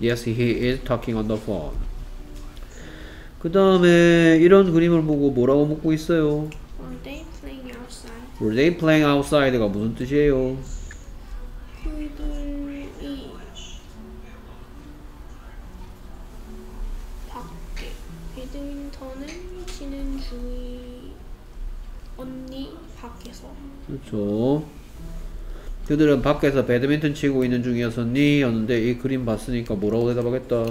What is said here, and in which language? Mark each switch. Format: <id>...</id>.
<en>Yes, he is talking on the phone.</en> <ko>그 다음에 이런 그림을 보고 뭐라고 묻고 있어요?</ko> <en>Are they playing outside? Were they playing outside</en> <ko>가 무슨 뜻이에요? 그들이 밖에 배드민턴을 치는 중이 언니 밖에서 그렇죠. 그들은 밖에서 배드민턴 치고 있는 중이었었니? 였는데 이 그림 봤으니까 뭐라고 대답하겠다?</ko>